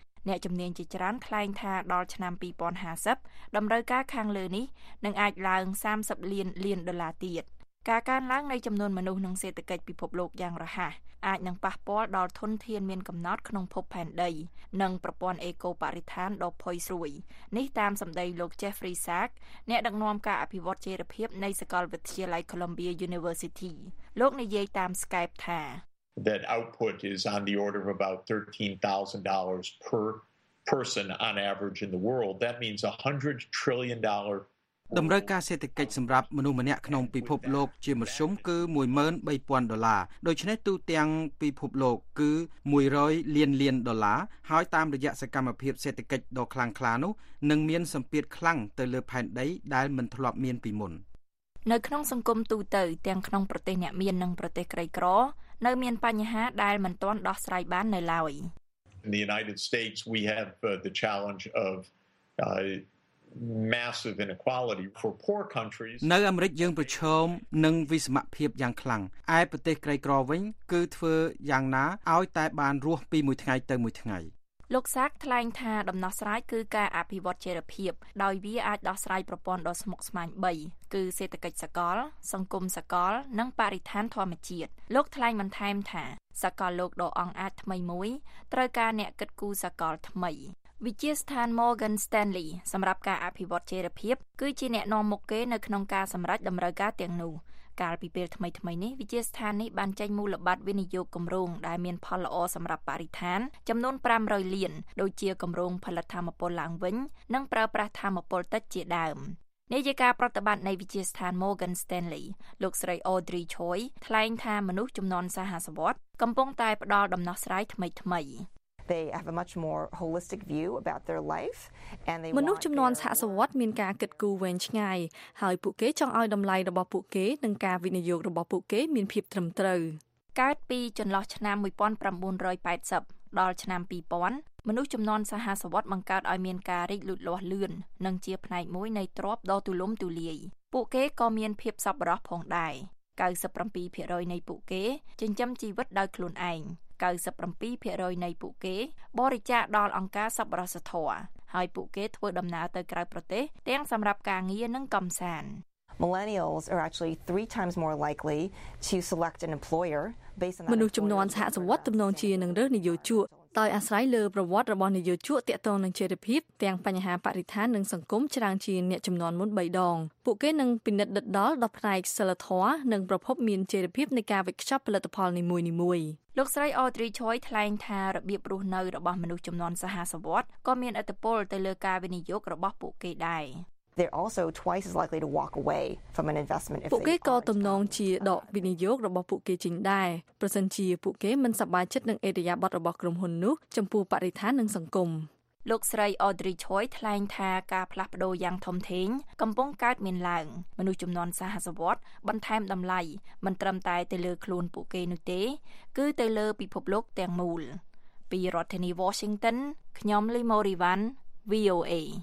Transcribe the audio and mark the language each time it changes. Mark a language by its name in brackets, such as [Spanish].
[Khmer] អ្នកជំនាញជាច្រើនថ្លែងថាដល់ឆ្នាំ2050តម្រូវការខាងលើនេះនឹងអាចឡើង30លានលានដុល្លារទៀតការកើនឡើងនៃចំនួនមនុស្សក្នុងសេដ្ឋកិច្ចពិភពលោកយ៉ាងរហ័សអាចនឹងប៉ះពាល់ដល់ធនធានមានកំណត់ក្នុងភពផែនដីនិងប្រព័ន្ធអេកូបរិស្ថានដ៏ផុយស្រួយនេះតាមសម្ដីលោក Jeffrey Sachs អ្នកដឹកនាំការអភិវឌ្ឍចីរភាពនៃសាកលវិទ្យាល័យ Columbia University លោកនិយាយតាម Skype ថា [English] That output is on the order of about $13,000 per person on average in the world. That means $100 trillion [Khmer] តម្រូវការសេដ្ឋកិច្ចសម្រាប់មនុស្សម្នាក់ក្នុងពិភពលោកជាមធ្យមគឺ 13,000 ដុល្លារដូច្នេះទូទាំងពិភពលោកគឺ100លានលានដុល្លារហើយតាមរយៈសកម្មភាពសេដ្ឋកិច្ចដ៏ខ្លាំងក្លានោះនឹងមានសម្ពាធខ្លាំងទៅលើផែនដីដែលមិនធ្លាប់មានពីមុននៅក្នុងសង្គមទូទៅទាំងក្នុងប្រទេសអ្នកមាននិងប្រទេសក្រីក្រនៅមានបញ្ហាដែលមិនទាន់ដោះស្រាយបាននៅឡើយ [English] In the United States we have the challenge of massive inequality for poor countries [Khmer] នៅអាមេរិកយើងប្រឈមនឹងវិសមភាពយ៉ាងខ្លាំងឯប្រទេសក្រីក្រវិញគឺធ្វើយ៉ាងណាឲ្យតែបានរស់ពីមួយថ្ងៃទៅមួយថ្ងៃ លោកសាកថ្លែងថាដំណោះស្រាយគឺការអភិវឌ្ឍចីរភាពដោយវាអាចដោះស្រាយប្រព័ន្ធដ៏ស្មុគស្មាញ3គឺសេដ្ឋកិច្ចសកលសង្គមសកលនិងបរិស្ថានធម្មជាតិលោកថ្លែងបន្ថែមថាសកលលោកដ៏អង់អាចថ្មីមួយត្រូវការអ្នកគិតគូរសកលថ្មី វិទ្យាស្ថាន Morgan Stanley សម្រាប់ការអភិវឌ្ឍចីរភាពគឺជាអ្នកនាំមុខគេនៅក្នុងការសម្រេចតម្រូវការទាំងនោះកាលពីពេលថ្មីៗនេះវិទ្យាស្ថាននេះបានចេញមូលបត្រវិនិយោគគម្រោងដែលមានផលល្អសម្រាប់បរិស្ថានចំនួន500លានដូចជាគម្រោងផលិតថាមពលឡើងវិញនិងប្រើប្រាស់ថាមពលទឹកជាដើមនាយិកាប្រតិបត្តិនៃវិទ្យាស្ថាន Morgan Stanley លោកស្រី Audrey Choi ថ្លែងថាមនុស្សជំនាន់សហសវ័តកំពុងតែផ្ដល់ដំណោះស្រាយថ្មីៗ [English] They have a much more holistic view about their life and they [Khmer] មនុស្សចំនួនសហសវ័តមានការគិតគូរវែងឆ្ងាយហើយពួកគេចង់ឲ្យតម្លៃរបស់ពួកគេនិងការវិនិយោគរបស់ពួកគេមានភាពត្រឹមត្រូវ កើតពីចន្លោះឆ្នាំ1980ដល់ឆ្នាំ2000មនុស្សចំនួនសហសវ័តបង្កើតឲ្យមានការរីកលូតលាស់លឿននិងជាផ្នែកមួយនៃទ្រព្យដ៏ទូលំទូលាយពួកគេក៏មានភាពសប្បុរសផងដែរ 97% នៃពួកគេចិញ្ចឹមជីវិតដោយខ្លួនឯង97% នៃពួកគេបរិច្ចាគដល់អង្គការសប្បុរសធម៌ហើយពួកគេធ្វើដំណើរទៅក្រៅប្រទេសទាំងសម្រាប់ការងារនិងកម្សាន្ត [English] Millennials are actually 3 times more likely to select an employer based on [Khmer] មនុស្សចំនួនសហសវ័តទំនងជានឹងរើសនិយោជកដោយអាស្រ័យលើប្រវត្តិរបស់និយោជកទាក់ទងនឹងចេរភាពទាំងបញ្ហាបរិស្ថាននិងសង្គមច្រើនជាអ្នកចំនួនមុន3ដងពួកគេនឹងពិនិត្យដិតដល់ដល់ផ្នែកសិលធម៌និងប្រភពមានចេរភាពនៃការវិក្កយបត្រផលិតផលនីមួយៗ លោកស្រី Audrey Choi ថ្លែងថារបៀបរស់នៅរបស់មនុស្សចំនួនសហសវ័តក៏មានឥទ្ធិពលទៅលើការវិនិយោគរបស់ពួកគេដែរ [English] They're also twice as likely to walk away from an investment if they [Khmer] ពួកគេក៏ទំនងជាដកវិនិយោគរបស់ពួកគេចេញដែរប្រសិនជាពួកគេមិនសប្បាយចិត្តនឹងឥរិយាបថរបស់ក្រុមហ៊ុននោះចំពោះបរិស្ថាននិងសង្គម លោកស្រី Audrey Choi ថ្លែងថាការផ្លាស់ប្ដូរយ៉ាងធំធេងកំពុងកើតមានឡើងមនុស្សចំនួនសហសវ័តបន្ថែមតម្លៃមិនត្រឹមតែទៅលើខ្លួនពួកគេនោះទេគឺទៅលើពិភពលោកទាំងមូលពីរដ្ឋធានី Washington ខ្ញុំលីម៉ូរីវ៉ាន់ VOA